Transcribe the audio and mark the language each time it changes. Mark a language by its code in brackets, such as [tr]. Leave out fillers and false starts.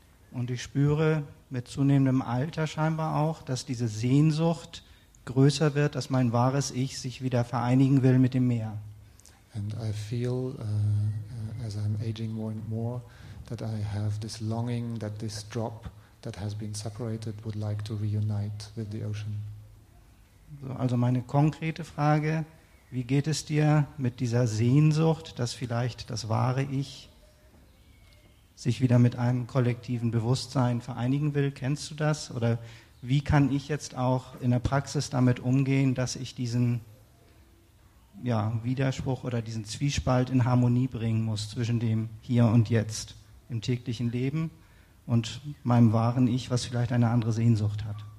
[de] Und ich spüre mit zunehmendem Alter scheinbar auch, dass diese Sehnsucht größer wird, dass mein wahres Ich sich wieder vereinigen will mit dem Meer. [en] And I feel, as I'm aging more and more, that I have this longing that this drop that has been separated would like to reunite with the ocean. [de] So, also meine konkrete Frage, wie geht es dir mit dieser Sehnsucht, dass vielleicht das wahre Ich sich wieder mit einem kollektiven Bewusstsein vereinigen will? Kennst du das? Oder wie kann ich jetzt auch in der Praxis damit umgehen, dass ich diesen ja, Widerspruch oder diesen Zwiespalt in Harmonie bringen muss zwischen dem Hier und Jetzt im täglichen Leben und meinem wahren Ich, was vielleicht eine andere Sehnsucht hat?